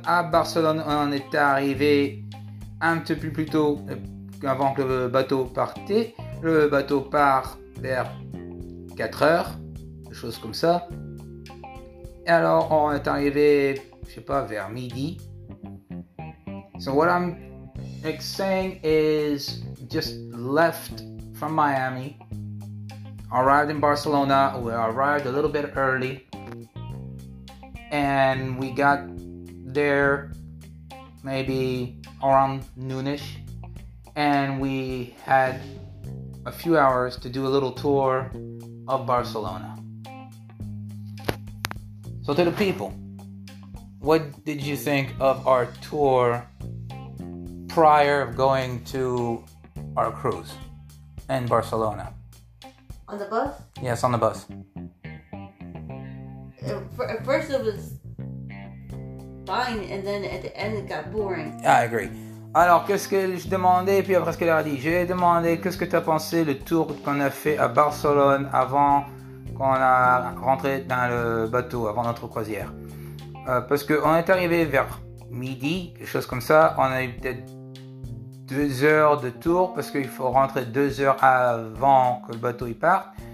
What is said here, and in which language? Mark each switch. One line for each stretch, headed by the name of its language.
French: À Barcelone, on est arrivé un petit peu plus tôt avant que le bateau partait. Le bateau part vers 4 heures, des choses comme ça. Et alors, on est arrivé, je sais pas, vers midi.
English: So what I'm saying is just left from Miami, arrived in Barcelona. We arrived a little bit early. And we got there maybe around noonish, and we had a few hours to do a little tour of Barcelona. So to the people, what did you think of our tour prior of going to our cruise in Barcelona? On the bus? Yes, on the bus. At first it was fine, and then at the end it got boring. I agree.
French: Alors, qu'est-ce que je demandais, puis après ce qu'elle a dit? J'ai demandé, qu'est-ce que tu as pensé le tour qu'on a fait à Barcelone avant qu'on a rentré dans le bateau, avant notre croisière? Parce qu'on est arrivé vers midi, quelque chose comme ça. On a eu peut-être 2 heures de tour, parce qu'il faut rentrer 2 heures avant que le bateau y parte.